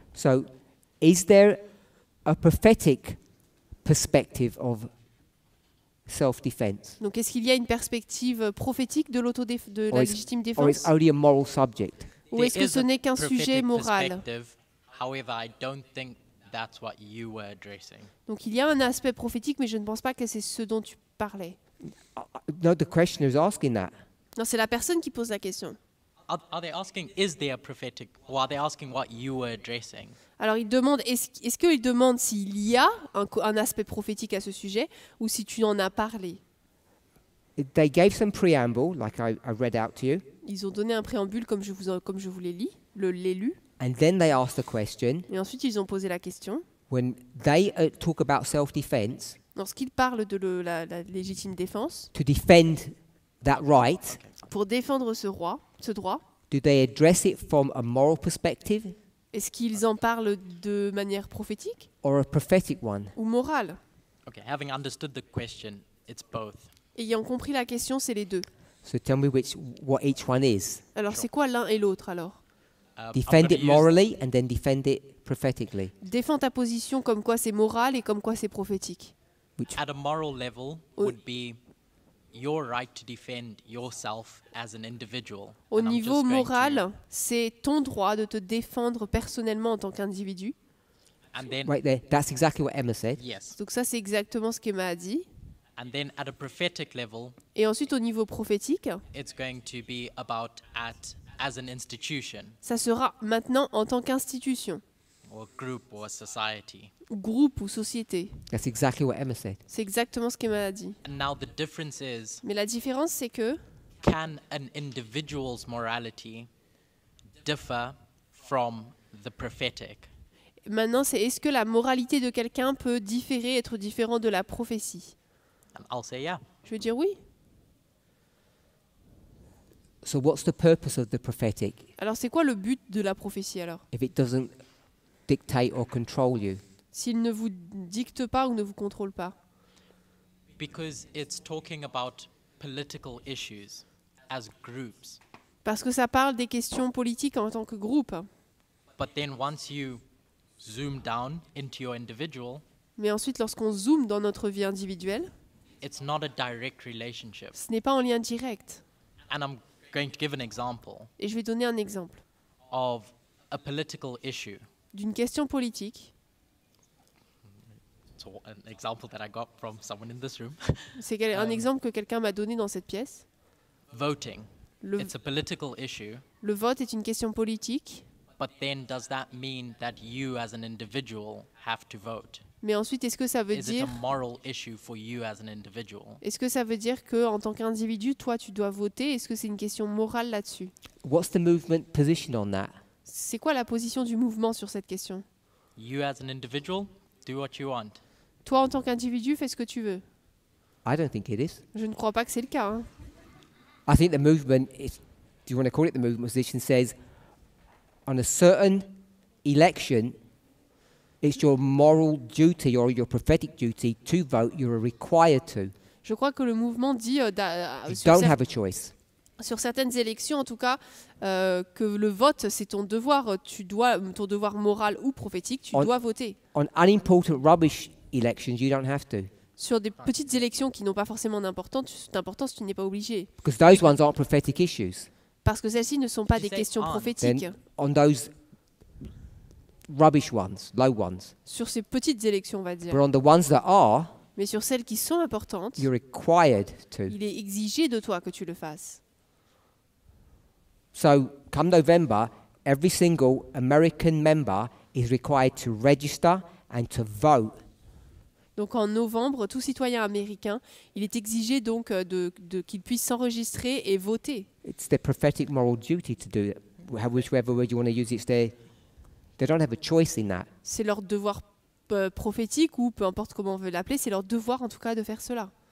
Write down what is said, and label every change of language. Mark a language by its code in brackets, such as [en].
[en] So, is there a prophetic perspective of self-defense? [fr] Donc est-ce qu'il y a une perspective prophétique de la légitime défense? [en] Or is only a moral subject? [fr] Ou est-ce que ce n'est qu'un sujet moral? [en] However, I don't think that's what you were addressing. [fr] Donc il y a un aspect prophétique, mais je ne pense pas que c'est ce dont tu parlais. [en] No, the questioner is asking that. [fr] Non, c'est la personne qui pose la question. [en] Are they asking, is there a prophetic, or are they asking what you were addressing? [fr] Alors il demande, est-ce qu'il demande s'il y a un aspect prophétique à ce sujet, ou si tu en as parlé? [en] They gave some preamble, like I read out to you. [fr] Ils ont donné un préambule comme je vous l'ai lu. [en] And then they asked the question. [fr] Et ensuite, ils ont posé la question. [en] When they talk about self-defense. [fr] Lorsqu'ils parlent de la légitime défense. [en] To defend that right. [fr] Pour défendre ce droit. [en] Do they address it from a moral perspective? [fr] Est-ce qu'ils en parlent de manière prophétique? [en] Or a prophetic one? [fr] Ou morale? [en] Okay, having understood the question, it's both. [fr] Ayant compris la question, c'est les deux. [en] So tell me what each one is. [fr] Alors, [en] sure. [fr] C'est quoi l'un et l'autre alors? [en] Defend it morally and then defend it prophetically. [fr] Défends ta position comme quoi c'est moral et comme quoi c'est prophétique. [en] Which at a moral level would be your right to defend yourself as an individual. [fr] Au niveau moral, c'est ton droit de te défendre personnellement en tant qu'individu. [en] And then right there, that's exactly what Emma said. Yes. [fr] Donc ça c'est exactement ce qu'Emma a dit. [en] And then at a prophetic level. [fr] Et ensuite au niveau prophétique. [en] It's going to be about at as an institution. [fr] Ça sera maintenant en tant qu'institution. [en] Or group or society. [fr] Groupe ou société. [en] That's exactly what Emma said. [fr] C'est exactement ce qu'Emma a dit. [en] And now the difference is. [fr] Mais la différence c'est que. [en] Can an individual's morality differ from the prophetic? [fr] Maintenant c'est est-ce que la moralité de quelqu'un peut différer, être différent de la prophétie? [en] And I'll say yeah. [fr] Je vais dire oui. [en] So what's the purpose of the prophetic? [fr] Alors c'est quoi le but de la prophétie alors? [en] If it doesn't dictate or control you. [fr] S'il ne vous dicte pas ou ne vous contrôle pas. [en] Because it's talking about political issues as groups. [fr] Parce que ça parle des questions politiques en tant que groupe. [en] But then once you zoom down into your individual. [fr] Mais ensuite lorsqu'on zoome dans notre vie individuelle. [en] It's not a direct relationship. [fr] Ce n'est pas en lien direct. [en] And I'm going to give an example. [fr] Et je vais donner un exemple. [en] Of a political issue. [fr] D'une question politique. [en] So an example that I got from someone in this room. [fr] C'est un exemple que quelqu'un m'a donné dans cette pièce. [en] Voting. It's a political issue. [fr] Le vote est une question politique. [en] But then does that mean that you as an individual have to vote? [fr] Mais ensuite, est-ce que ça veut dire... [en] Is it a moral issue for you as an individual? [fr] Est-ce que ça veut dire qu'en tant qu'individu, toi, tu dois voter? Est-ce que c'est une question morale là-dessus? [en] What's the movement positioned on that? [fr] C'est quoi la position du mouvement sur cette question? [en] You as an individual, do what you want. [fr] Toi, en tant qu'individu, fais ce que tu veux. [en] I don't think it is. [fr] Je ne crois pas que c'est le cas. Hein. [en] I think the movement, if you want to call it the movement position, says on a certain election, it's your moral duty or your prophetic duty to vote. You are required to. [fr] Je crois que le mouvement dit [en] you don't have a choice. [fr] Sur certaines élections, en tout cas, que le vote, c'est ton devoir. Tu dois ton devoir moral ou prophétique. Tu dois voter. [en] On unimportant rubbish elections, you don't have to. [fr] Sur des petites élections qui n'ont pas forcément d'importance, tu n'es pas obligé. [en] Because those ones aren't prophetic issues. [fr] Parce que celles-ci ne sont pas des questions prophétiques. [en] On those rubbish ones, low ones. [fr] Sur ces petites élections, on va dire. [en] But on the ones that are. [fr] Mais sur celles qui sont importantes. [en] You're required to. [fr] Il est exigé de toi que tu le fasses. [en] So, come November, every single American member is required to register and to vote. [fr] Donc en novembre, tout citoyen américain, il est exigé donc de qu'il puisse s'enregistrer et voter. [en] It's their prophetic moral duty to do it. Whichever word you want to use, it's their, they don't have a choice in that. [fr] C'est leur devoir prophétique ou peu importe comment on veut l'appeler, c'est leur devoir en tout cas de faire cela.